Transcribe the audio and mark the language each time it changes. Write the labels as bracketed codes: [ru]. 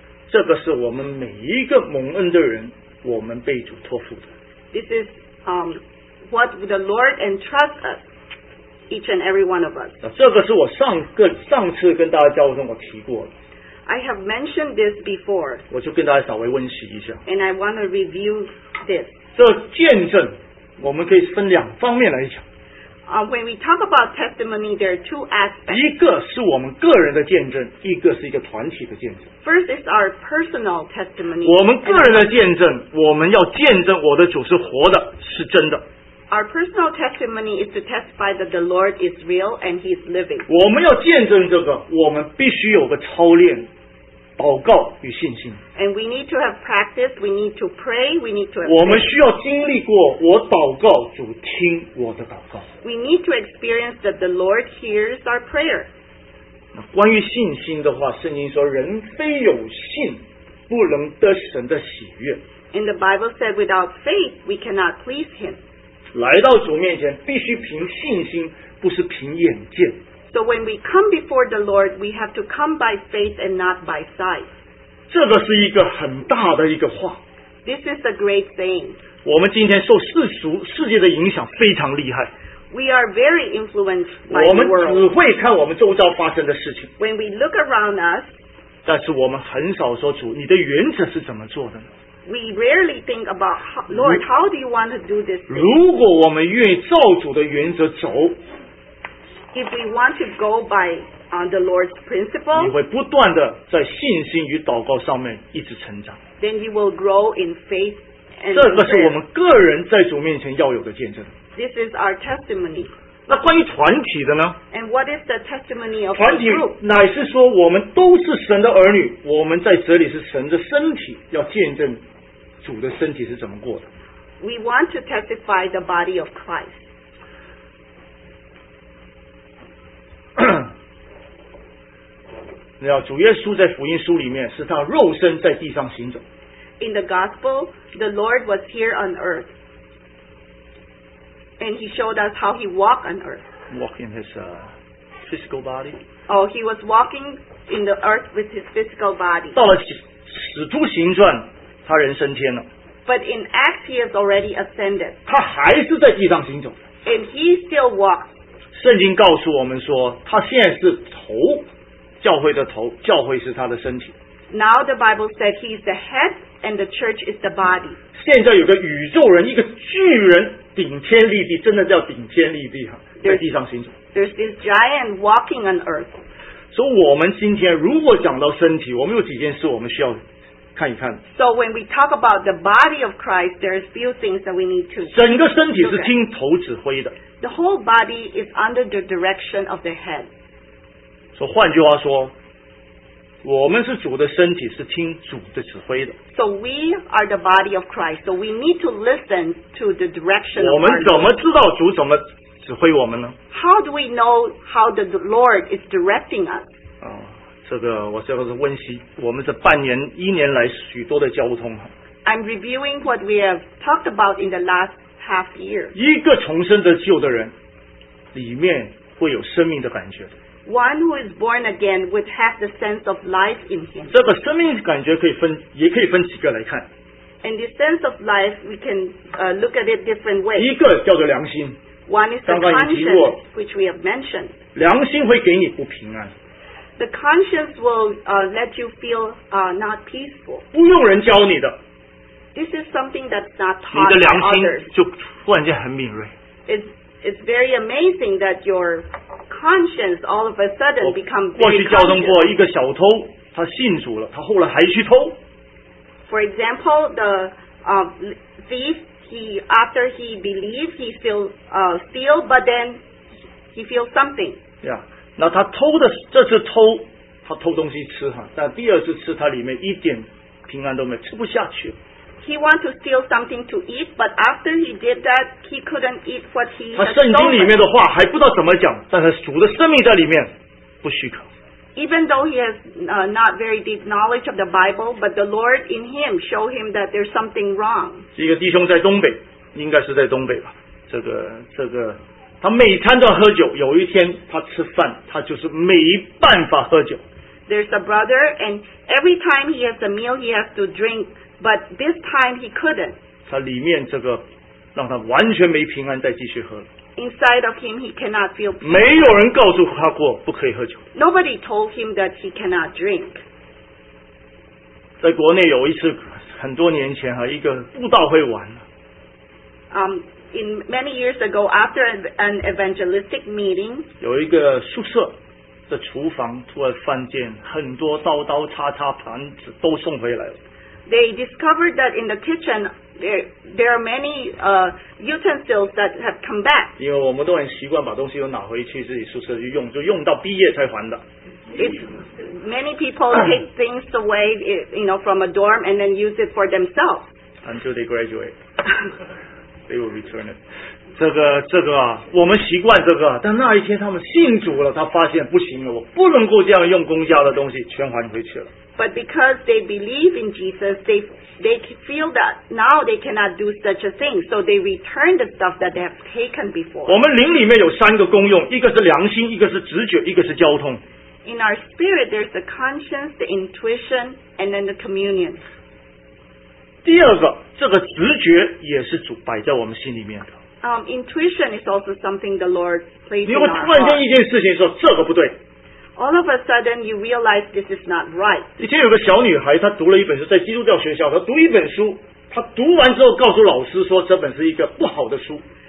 [zh] 这个是我们每一个蒙恩的人，我们被主托付的。 [en] This is what the Lord entrusts us, each and every one of us. [zh] 这个是我上次跟大家交通我提过的。 [en] I have mentioned this before. [zh] 我就跟大家稍微温习一下。 [en] And I want to review this. [zh] 这见证，我们可以分两方面来讲。 [en] When we talk about testimony, there are two aspects. [zh] 一个是我们个人的见证，一个是一个团体的见证。 [en] First is our personal testimony. [zh] 我们个人的见证，我们要见证我的主是活的，是真的。 [en] Our personal testimony is to testify that the Lord is real and He is living. [zh] 我们要见证这个，我们必须有个操练，祷告与信心。 [en] And we need to have practice. We need to pray. We need to. [zh] 我们需要经历过我祷告，主听我的祷告。 [en] We need to experience that the Lord hears our prayer. [zh] 关于信心的话，圣经说：“人非有信，不能得神的喜悦。” [en] And the Bible said, "Without faith, we cannot please Him." [zh] 来到主面前，必须凭信心，不是凭眼见。 [en] So when we come before the Lord, we have to come by faith and not by sight. [zh] 这个是一个很大的一个话。 [en] This is a great thing. [zh] 我们今天受世界的影响非常厉害。 [en] We are very influenced by the world. [zh] 我们只会看我们周遭发生的事情。 [en] When we look around us, [zh] 但是我们很少说主，你的原则是怎么做的呢？ [en] We rarely think about Lord, how do you want to do this thing? [zh] 如果我们愿意照主的原则走。 [en] If we want to go by the Lord's principle, [zh] 你会不断的在信心与祷告上面一直成长。 [en] Then you will grow in faith. [zh] 这个是我们个人在主面前要有的见证。 [en] This is our testimony. [zh] 那关于团体的呢？ [en] And what is the testimony of [zh] 团体乃是说我们都是神的儿女，我们在这里是神的身体，要见证主的身体是怎么过的。 [en] We want to testify the body of Christ. [zh] 那主耶稣在福音书里面是他肉身在地上行走。 [en] In the gospel, the Lord was here on earth, and He showed us how He walked on earth. Walking His physical body. Oh, He was walking in the earth with His physical body. [zh] 到了使徒行传，他人升天了。 [en] But in Acts, He has already ascended. [zh] 他还是在地上行走。 [en] And He still walks. [zh] 圣经告诉我们说，他现在是头，教会的头，教会是他的身体。 [en] Now the Bible said he is the head and the church is the body. [zh] 现在有个宇宙人，一个巨人，顶天立地，真的叫顶天立地，在地上行走。 [en] There's this giant walking on earth. [zh] 所以我们今天如果讲到身体，我们有几件事我们需要看一看。 [en] So when we talk about the body of Christ, there's few things that we need to. [zh] 整个身体是听头指挥的。 [en] The whole body is under the direction of the head. [zh] So, 换句话说，我们是主的身体，是听主的指挥的。 [en] So we are the body of Christ. So we need to listen to the direction. [zh] 我们怎么知道主怎么指挥我们呢？ [en] How do we know how the Lord is directing us? [zh] 这个我这个是温习我们这半年一年来许多的交通。 [en] I'm reviewing what we have talked about in the last. [zh] 一个重生的旧的人里面会有生命的感觉。 [en] One who is born again would have the sense of life in him. [zh] 这个生命感觉可以分，也可以分几个来看。 [en] And the sense of life, we can look at it different ways. [zh] 一个叫做良心。 [en] One is the conscience, which we have mentioned. [zh] 良心会给你不平安。 [en] The conscience will let you feel not peaceful. [zh] 不用人教你的。 [en] This is something that's not taught by others. [zh] 你的良心就突然间很敏锐。 [en] It's it's very amazing that your conscience all of a sudden becomes very conscious. [zh] 过去教导过一个小偷，他信主了，他后来还去偷。 [en] For example, the thief, he after he believes, he still steal, but then he feels something. [zh] Yeah, 那他偷的这次偷，他偷东西吃哈，但第二次吃他里面一点平安都没有，吃不下去。 [en] He wants to steal something to eat, but after he did that, he couldn't eat what he. [zh] 他圣经里面的话还不知道怎么讲，但是主的生命在里面，不许可。 [en] Even though he has not very deep knowledge of the Bible, but the Lord in him show him that there's something wrong. [zh] 一个弟兄在东北，应该是在东北吧？这个，他每餐都要喝酒。有一天他吃饭，他就是没办法喝酒。 [en] There's a brother, and every time he has a meal, he has to drink. But this time he couldn't. [zh] 他里面这个让他完全没平安再继续喝了。 [en] Inside of him, he cannot feel peace. [zh] 没有人告诉他过不可以喝酒。 [en] Nobody told him that he cannot drink. [zh] 在国内有一次很多年前一个布道会完了。 [en] In many years ago, after an evangelistic meeting, [zh] 有一个宿舍的厨房突然犯贱，很多刀刀叉叉盘子都送回来了。 [en] They discovered that in the kitchen there are many utensils that have come back. [zh] 因为我们都很习惯把东西都拿回去自己宿舍去用，就用到毕业才还的。 [en] Many people take things away, you know, from a dorm and then use it for themselves. Until they graduate, they will return it. [zh] 这个啊，我们习惯这个，但那一天他们信主了，他发现不行了，我不能够这样用公家的东西全还回去了。 [en] But because they believe in Jesus, they feel that now they cannot do such a thing, so they return the stuff that they have taken before. [zh] 我们灵里面有三个功用，一个是良心，一个是直觉，一个是交通。 [en] In our spirit, there's the conscience, the intuition, and then the communion. [zh] 第二个，这个直觉也是主摆在我们心里面的。 [en] Intuition is also something the Lord places in our heart. [zh] 你会突然间一件事情说这个不对。 [en] All of a sudden, you realize this is not right. [zh] 以前有个小女孩，她读了一本书，在基督教学校，她读一本书，她读完之后告诉老师说，这本是一个不好的书。